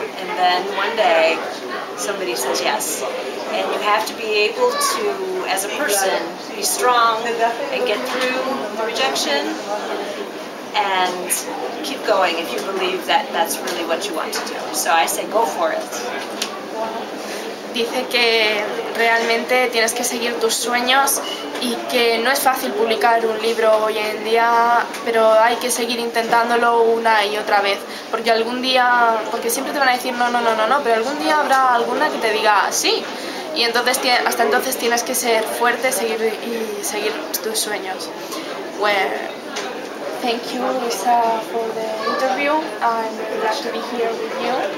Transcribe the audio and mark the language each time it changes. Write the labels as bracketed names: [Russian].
[English] And then one day, somebody says yes. And you have to be able to, as a person, be strong and get through the rejection and keep going if you believe that that's really what you want to do. So I say go for it. [Spanish] Dice que realmente tienes que seguir tus sueños y que no es fácil publicar un libro hoy en día, pero hay que seguir intentándolo una y otra vez, porque algún día, porque siempre te van a decir no, no, no, no, no, pero algún día habrá alguna que te diga sí, y entonces hasta entonces tienes que ser fuerte, seguir y seguir tus sueños. [English] Well, thank you, Lisa, for the interview. I'm glad to be here with you.